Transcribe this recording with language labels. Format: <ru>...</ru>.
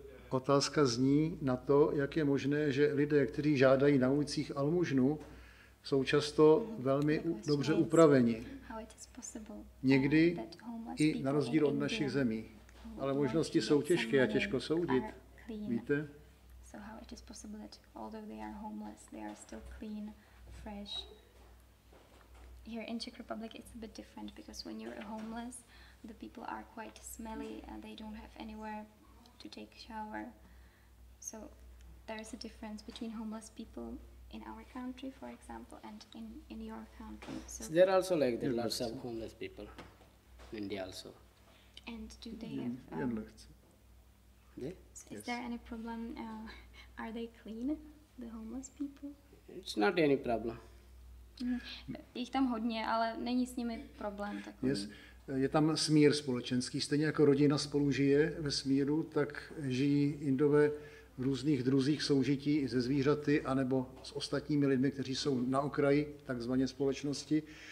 <cs>otázka zní na to, jak je možné, že lidé, kteří žádají na ulicích almužnu, jsou často velmi dobře upraveni. Někdy i na rozdíl od našich zemí. Ale možnosti jsou těžké a těžko soudit. Víte?</cs> <en>So how it is possible that although they are homeless, they are still clean, fresh. Here in Czech Republic it's a bit different because when you're homeless, the people are quite smelly and they don't have anywhere to take shower. So there is a difference between homeless people in our country, for example, and in your country. So there are also like there are some homeless people in India also. And do they have? Is there any problem? Are they clean, the homeless people? It's not any problem.</en> <cs>Jich tam hodně, ale není s nimi problém takový.</cs> <en>Yes.</en> <cs>Je tam smír společenský. Stejně jako rodina spolu žije ve smíru, tak žijí Indové v různých druzích soužití i se zvířaty, anebo s ostatními lidmi, kteří jsou na okraji takzvané společnosti.</cs>